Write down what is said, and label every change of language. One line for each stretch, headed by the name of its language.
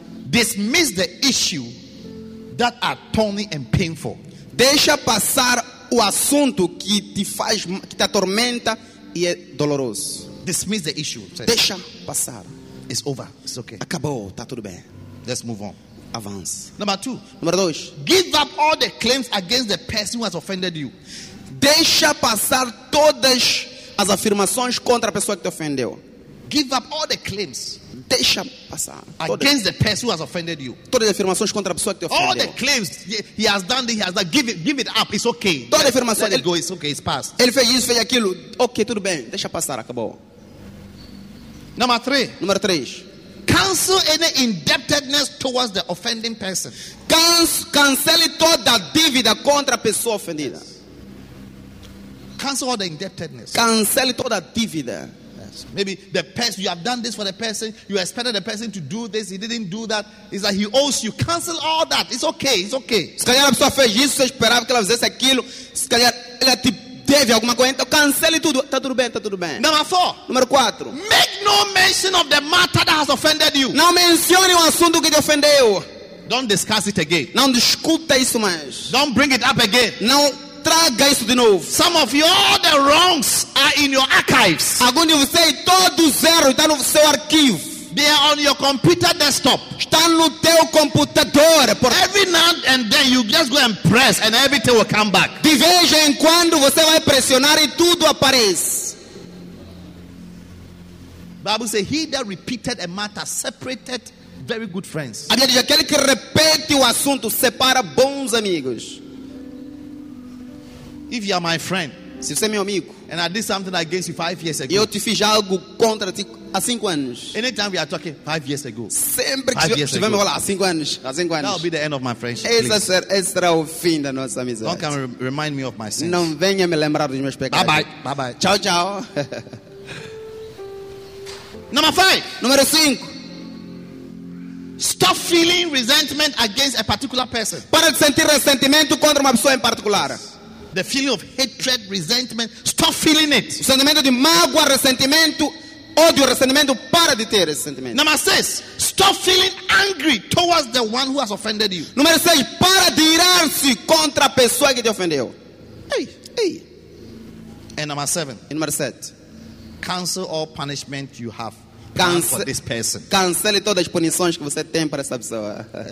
English: Dismiss the issue that are thorny and painful.
Portuguese: Deixa passar o assunto que te atormenta e é doloroso.
English: Dismiss the issue.
Portuguese: Deixa passar.
English: It's over. It's okay.
Portuguese: Acabou, tá tudo bem.
English: Let's move on.
Portuguese: Avance.
English: Number 2.
Portuguese: Número 2.
English: Give up all the claims against the person who has offended you.
Portuguese: Deixa passar todas as afirmações contra a pessoa que te ofendeu.
English: Give up all the claims.
Portuguese: Deixa passar
English: against the person who has offended you.
Portuguese: Todas as afirmações contra a pessoa que te ofendeu.
English: All the claims he has done, he has done. Give it up. It's okay.
Portuguese: Todas as afirmações.
English: Let it go. It's okay. It's past.
Portuguese: Ele fez isso, fez aquilo. Ok, tudo bem. Deixa passar. Acabou. Número 3.
English: Cancel any indebtedness towards the offending person.
Portuguese: Cancele toda a dívida contra a pessoa ofendida.
English: Cancel all the indebtedness.
Portuguese: Cancel toda a dívida.
English: Yes. Maybe the person, you have done this for the person, you expected the person to do this, he didn't do that. It's like he owes you. Cancel all that. It's okay.
Portuguese: Se calhar a pessoa fez isso, você esperava que ela fizesse aquilo. Se calhar ela te deve alguma coisa. Então cancele tudo. Tá tudo bem.
English: Number 4.
Portuguese: Número 4.
English: Make no mention of the matter that has offended you.
Portuguese: Não mencione o assunto que te ofendeu.
English: Don't discuss it again.
Portuguese: Não discuta isso mais.
English: Don't bring it up again.
Portuguese: Não. Traga isso de novo.
English: Some of you, all the wrongs are in your archives.
Portuguese: Alguns de vocês, todo zero está no seu arquivo.
English: They are on your computer desktop.
Portuguese: Está no teu computador.
English: Every now and then you just go and press and everything will come back.
Portuguese: De vez em quando você vai pressionar e tudo aparece.
English: Bible says, he that repeated a matter separated very good friends.
Portuguese: A Bíblia diz, aquele que repete o assunto separa bons amigos.
English: If you are my friend,
Portuguese: se você é meu amigo,
English: and I did something against you 5 years ago,
Portuguese: eu te fiz algo contra ti há 5 anos.
English: Anytime we are talking 5 years ago,
Portuguese: sempre que estiver me falar há cinco anos,
English: that will be the end of my friendship.
Portuguese: Esse será o fim da nossa amizade.
English: Don't come remind me of my sins.
Portuguese: Não venha me lembrar dos meus pecados.
English: Bye bye.
Portuguese: Tchau.
English: Number 5.
Portuguese: Número 5.
English: Stop feeling resentment against a particular person.
Portuguese: Para de sentir ressentimento contra uma pessoa em particular.
English: The feeling of hatred, resentment. Stop feeling it.
Portuguese: O sentimento de mágoa, ressentimento, ódio, ressentimento, para de ter esse sentimento.
English: Number 6. Stop feeling angry towards the one who has offended you.
Portuguese: Número 6. Para de irar-se contra a pessoa que te ofendeu.
English: Hey. And number seven. In number 7. Cancel all punishment you have for this person.
Portuguese: Cancele todas as punições que você tem para essa pessoa.